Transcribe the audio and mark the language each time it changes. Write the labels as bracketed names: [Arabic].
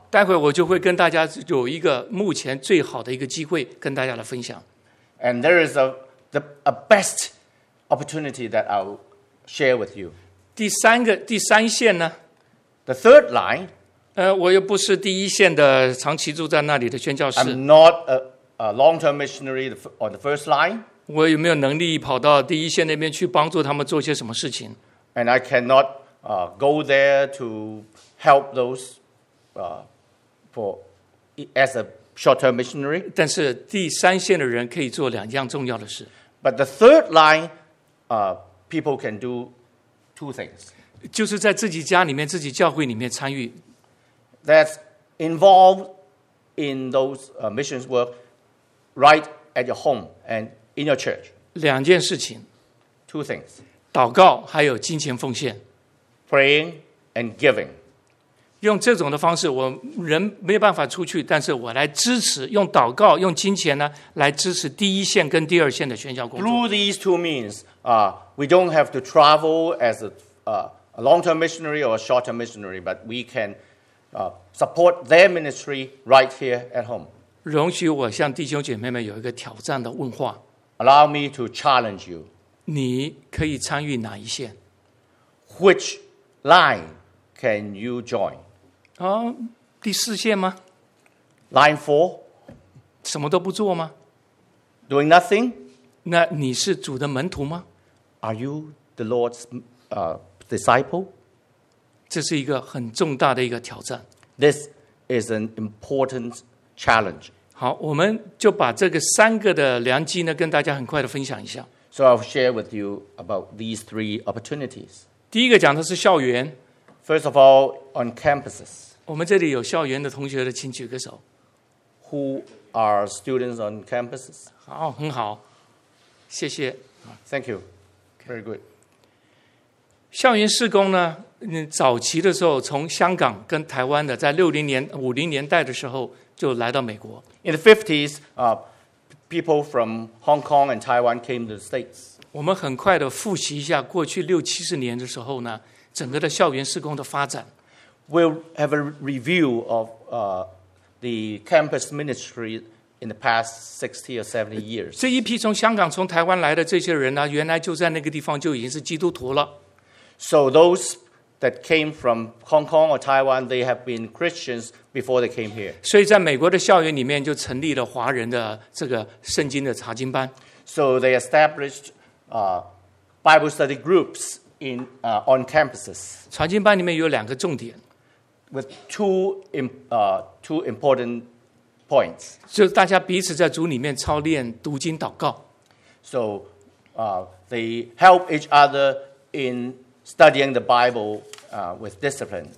[Chinese] 待会我就会跟大家有一个目前最好的一个机会跟大家来分享。 [English] And there is a best opportunity that I'll share with you. [Chinese] 第三线呢？ [English] The third line. [Chinese] 我又不是第一线的长期住在那里的宣教士。 [English] I'm not a long-term missionary on the first line. [Chinese] 我有没有能力跑到第一线那边去帮助他们做些什么事情？ [English] And I cannot go there to help those as a short-term missionary. [Chinese] 但是第三线的人可以做两样重要的事。 [English] But the third line, people can do two things. [Chinese] 就是在自己家里面、自己教会里面参与。 [English] That's involved in those missions work right at your home and in your church. [Chinese] 两件事情。 [English] Two things. [Chinese] 祷告还有金钱奉献。 [English] Praying and giving. [Chinese] 用这种的方式，我人没办法出去，但是我来支持，用祷告，用金钱呢，来支持第一线跟第二线的宣教工作。 [English] Through these two means, we don't have to travel as a long-term missionary or a short-term missionary, but we can support their ministry right here at home. [Chinese] 容许我向弟兄姐妹们有一个挑战的问话。 [English] Allow me to challenge you. [Chinese] 你可以参与哪一线 [English] ？Which line can you join？ [Chinese] 啊，第四线吗 [English] ？Line four， [Chinese] 什么都不做吗 [English] ？Doing nothing？ [Chinese] 那你是主的门徒吗 [English] ？Are you the Lord's disciple？ [Chinese] 这是一个很重大的一个挑战。 [English] This is an important challenge。 [Chinese] 好，我们就把这个三个的良机呢，跟大家很快的分享一下。 [English] So I'll share with you about these three opportunities. [Chinese] 第一个讲的是校园。 [English] First of all, on campuses. [Chinese] 我们这里有校园的同学的，请举个手。 [English] Who are students on campuses? [Chinese] 好，很好，谢谢。 [English] Thank you. Very good. [Chinese] 校园事工呢，早期的时候从香港跟台湾的，在50年代的时候就来到美国。 [English] In the 50s, people from Hong Kong and Taiwan came to the States. [Chinese] 我们很快的复习一下过去六七十年的时候呢，整个的校园事工的发展。 [English] We'll have a review of the campus ministry in the past 60 or 70 years. [Chinese] 这一批从香港、从台湾来的这些人呢，原来就在那个地方就已经是基督徒了。 [English] So those that came from Hong Kong or Taiwan, they have been Christians before they came here. [Chinese] 所以在美国的校园里面就成立了华人的这个圣经的查经班。 [English] So they established Bible study groups on campuses. [Chinese] 查经班里面有两个重点。 [English] With two important points. [Chinese] 就大家彼此在组里面操练读经祷告。 [English] So they help each other in studying the Bible with discipline.